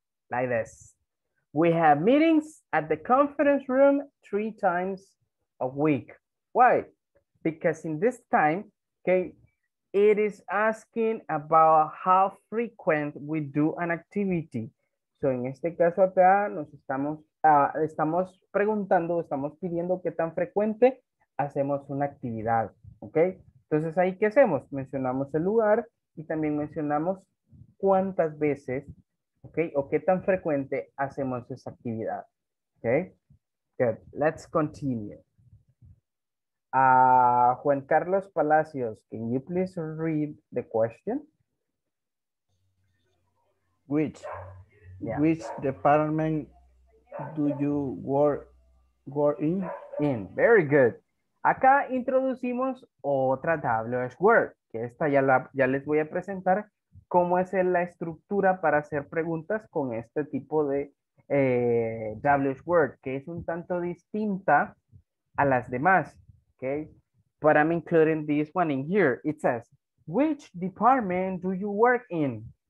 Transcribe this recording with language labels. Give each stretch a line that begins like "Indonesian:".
English: Like this. We have meetings at the conference room 3 times a week. Why? Because in this time, okay, it is asking about how frequent we do an activity.
Spanish: So in este caso acá nos estamos, estamos preguntando, estamos pidiendo qué tan frecuente hacemos una actividad, okay? Entonces ahí, ¿qué hacemos? Mencionamos el lugar y también mencionamos cuántas veces, ¿ok? O qué tan frecuente hacemos esa actividad, ¿ok?
English: Good. Let's continue. Juan Carlos Palacios, can you please read the question? Which, yeah. Which department do you work in? In, very good.
Spanish: Acá introducimos otra WH-word, que esta ya, ya les voy a presentar cómo es la estructura para hacer preguntas con este tipo de WH-word, que es un tanto distinta a las demás, okay?
English: But I'm including this one in here. It says, which department do you work in?